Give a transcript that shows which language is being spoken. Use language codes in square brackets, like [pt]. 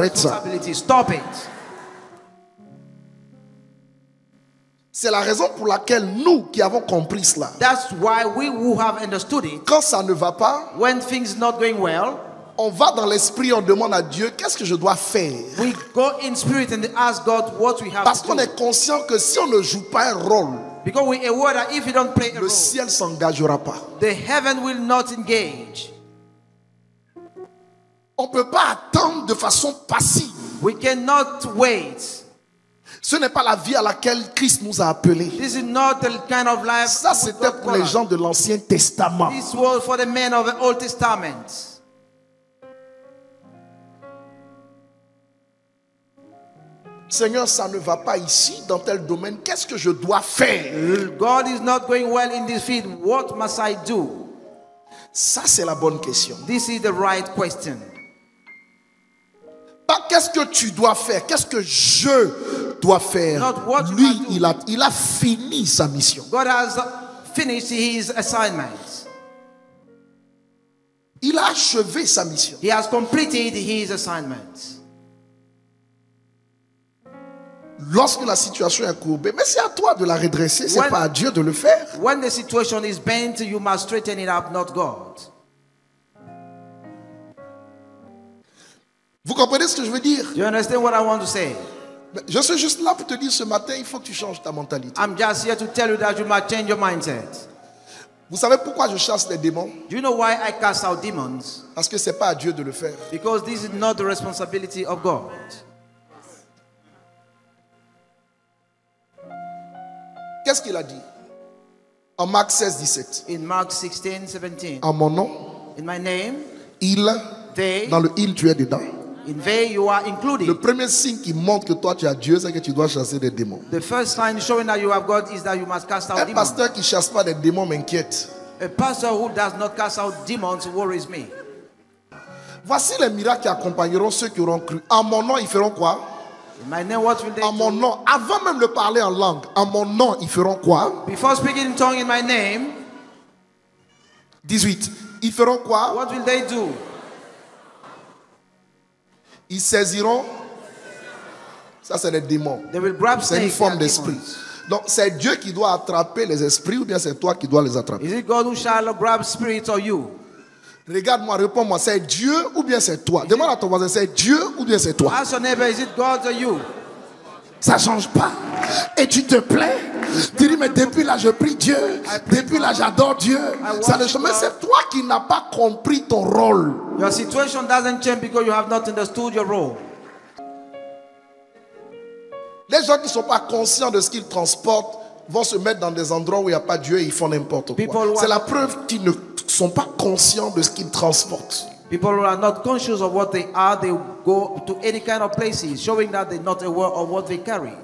[en] responsibility. [fr] Ça. [en] Stop it. [fr] C'est la raison pour laquelle nous qui avons compris cela. [en] That's why we who have understood it. [fr] Quand ça ne va pas. [en] When things not going well. [fr] On va dans l'esprit, on demande à Dieu qu'est-ce que je dois faire. [en] We go in spirit and ask God what we have. [fr] Parce qu'on est conscient que si on ne joue pas un rôle. [en] Because we are aware that if you don't play a [fr] le [en] role, [fr] ciel s'engagera pas. [en] The heaven will not engage. [fr] On peut pas attendre de façon passive. [en] We cannot wait. [fr] Ce n'est pas la vie à laquelle Christ nous a appelés. [en] This is not the kind of life. [fr] Ça c'était pour les gens de l'Ancien Testament. [en] This was for the men of the Old Testament. [fr] Seigneur, ça ne va pas ici dans tel domaine. Qu'est-ce que je dois faire? [en] God is not going well in this field. What must I do? [fr] Ça c'est la bonne question. [en] This is the right question. [fr] Pas qu'est-ce que tu dois faire? Qu'est-ce que je dois faire? [en] Not what [fr] lui, [en] you must do. [fr] Il a fini sa mission. [en] God has finished his assignment. [fr] Il a achevé sa mission. [en] He has completed his assignment. [fr] Lorsque la situation est courbée, mais c'est à toi de la redresser, c'est pas à Dieu de le faire. [en] When the situation is bent, you must straighten it up, not God. [fr] Vous comprenez ce que je veux dire? [en] You understand what I want to say? [fr] Je suis juste là pour te dire ce matin, il faut que tu changes ta mentalité. [en] I'm just here to tell you that you must change your mindset. [fr] Vous savez pourquoi je chasse les démons? [en] Do you know why I cast out demons? [fr] Parce que c'est pas à Dieu de le faire. [en] Because this is not the responsibility of God. [fr] Qu'est-ce qu'il a dit? En Marc 16, 17. [en] In Mark 16, 17. [fr] En mon nom. [en] In my name. [fr] Il. [en] They. [fr] Dans le il, tu es dedans. [en] In they, you are included. [fr] Le premier signe qui montre que toi tu as Dieu, c'est que tu dois chasser des démons. [en] The first sign showing that you have God is that you must cast out [fr] un [en] demons. [fr] Un pasteur qui chasse pas des démons m'inquiète. [en] A pastor who does not cast out demons worries me. [fr] Voici les miracles qui accompagneront ceux qui auront cru. En mon nom, ils feront quoi? [en] In my name, what will they [fr] en mon nom, avant même de parler en langue, en mon nom, ils feront quoi? [en] Before speaking in tongue, in my name. [fr] 18. Ils feront quoi? [en] What will they do? [fr] Ils saisiront. Ça, c'est les démons. [en] They will grab [fr] c'est une forme d'esprit. Donc, c'est Dieu qui doit attraper les esprits ou bien c'est toi qui dois les attraper? [en] Is it God who shall grab spirits or you? [fr] Regarde-moi, réponds-moi, c'est Dieu ou bien c'est toi? Demande à ton voisin, c'est Dieu ou bien c'est toi? [en] Ask your neighbor, is it God or you? [fr] Ça ne change pas. Et tu te plais? Tu dis, mais depuis là, je prie Dieu. Depuis là, j'adore Dieu. Ça ne change pas. Mais c'est toi qui n'as pas compris ton rôle. [en] Your situation doesn't change because you have not understood your role. [fr] Les gens qui ne sont pas conscients de ce qu'ils transportent vont se mettre dans des endroits où il n'y a pas Dieu et ils font n'importe quoi. C'est la preuve qu'ils ne sont pas conscients de ce qu'ils transportent. [en] People who are not conscious of what they are, they go to any kind of places, showing that they're not aware of what they carry.